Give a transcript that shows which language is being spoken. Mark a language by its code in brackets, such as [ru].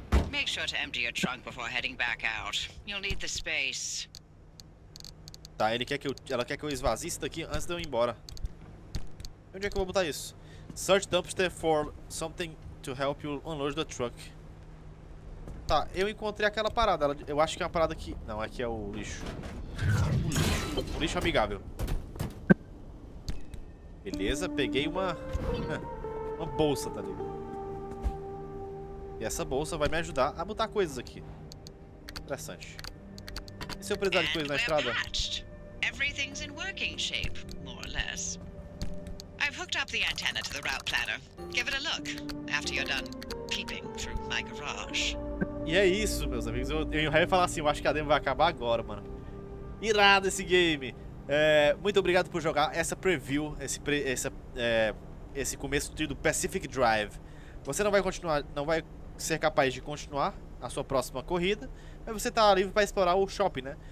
[en] Make sure to empty your trunk before heading back out. You'll need the space. [pt] Tá, ele quer que eu, ela quer que eu esvazie isso daqui antes de eu ir embora. Onde é que eu vou botar isso? [en] Search dumpster for something to help you unload the truck. [pt] Tá, eu encontrei aquela parada. Eu acho que é uma parada que... Não, aqui é o lixo. O lixo amigável. Beleza, peguei uma... uma bolsa, tá ligado? E essa bolsa vai me ajudar a botar coisas aqui. Interessante. E se eu precisar de coisa na estrada? [en] Everything's in working shape, more or less. I've hooked up the antenna to the route planner. Give it a look after you're done peeping through my garage. [pt] E é isso, meus amigos. Eu ia falar assim, eu acho que a demo vai acabar agora, mano. Irado esse game. É, muito obrigado por jogar essa preview, esse começo do Pacific Drive. Você não vai continuar, não vai ser capaz de continuar a sua próxima corrida, mas você tá livre para explorar o shopping, né?